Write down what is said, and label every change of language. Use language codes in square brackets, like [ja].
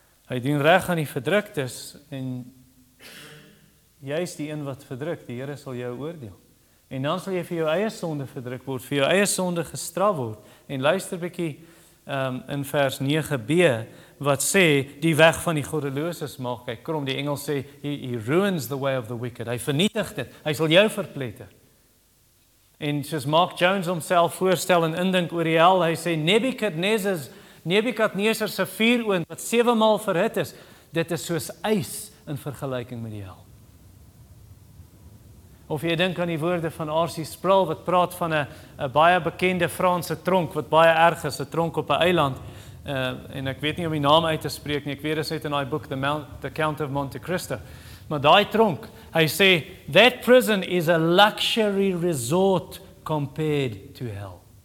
[af] Hy doen reg aan die verdruktes en jy is die een wat verdruk, die Here sal jou oordeel. En dan sal jy vir jou eie sonde verdruk word, vir jou eie sonde gestraf word. En luister bykie in vers 9b wat sê, die weg van die goddeloosheid maak hy krom. Die engel sê, [en] he ruins the way of the wicked. [af] Hy vernietig dit, hy sal jou verpletter. En soos Mark Jones homself voorstel en indink oor die hel, hy sê, Nebukadnezar se vuuroond, wat 7 maal verhit is, dit is soos ys in vergelyking met die hel. Of jy dink aan die woorde van R.C. Sproul, wat praat van een baie bekende Franse tronk, wat baie erg is, een tronk op een eiland, en ek weet nie om die naam uit te spreek nie, ek weet dit in die boek, The Count of Monte Cristo, maar die tronk, hy sê, [en] that prison is a luxury resort compared to hell.